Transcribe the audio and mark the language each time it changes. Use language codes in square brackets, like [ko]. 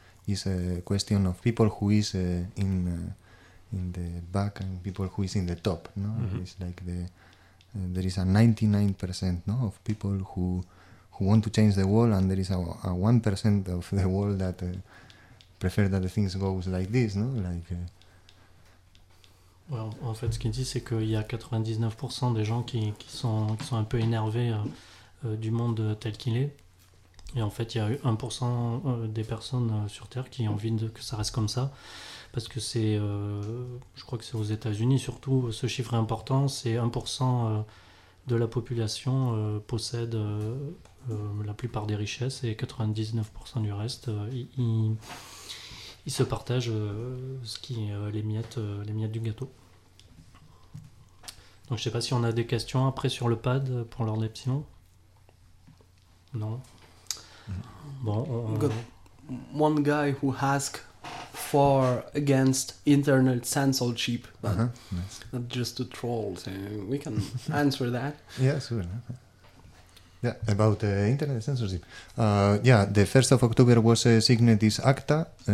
[en] It's a question of people who is in the back and people who is in the top. No, mm-hmm. It's like there is a 99% no of people who want to change the world, and there is a 1% of the world that prefer that the things goes like this. No, like. [fr] Well, en fait, ce qu'il dit, c'est qu'il y a 99% des gens qui sont un peu énervés du monde tel qu'il est. Et en fait, il y a 1% des personnes sur Terre qui ont envie que ça reste comme ça. Parce que c'est, je crois que c'est aux États-Unis surtout, ce chiffre est important, c'est 1% de la population possède la plupart des richesses et 99% du reste, ils se partagent les miettes du gâteau. Donc je ne sais pas si on a des questions après sur le pad pour l'ordre des psions. Non. Bon. [en] One guy who asks for against internet censorship. Uh-huh. Not just to troll. So we can answer that. Yes, we will. Yeah, about internet censorship. The 1st of October was signed this ACTA.